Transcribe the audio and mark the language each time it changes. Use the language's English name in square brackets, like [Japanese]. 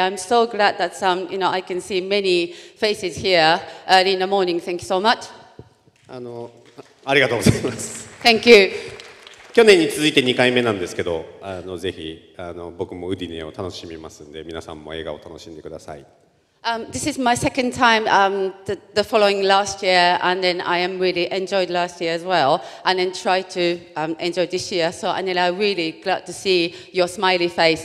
[English] I'm so glad that you know, I can see many faces here early in the morning. Thank you so much. [Japanese] あの、ありがとうございます。 [English] Thank you. [Japanese] 去年に続いて2回目なんですけど、あの、ぜひ、あの、僕もウディネを楽しみますんで、皆さんも映画を楽しんでください。 [English] This is my second time the following last year, and then I am really enjoyed last year as well, and then try to enjoy this year. So Anila, I'm really glad to see your smiley face.